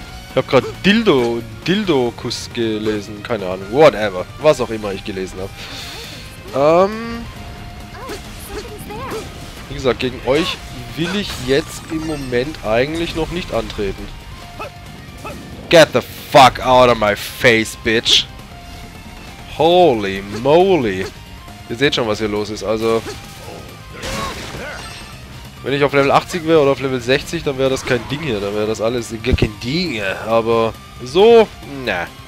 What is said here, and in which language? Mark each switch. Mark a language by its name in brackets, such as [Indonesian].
[German] Ich habe gerade Dildokus gelesen. Keine Ahnung. Whatever. Was auch immer ich gelesen habe. Wie gesagt, gegen euch will ich jetzt im Moment eigentlich noch nicht antreten. [English] Get the fuck out of my face, bitch. Holy moly. [German] Ihr seht schon, was hier los ist. Also... Wenn ich auf Level 80 wäre oder auf Level 60, dann wäre das kein Ding hier. Dann wäre das alles gar kein Ding. Aber so, ne.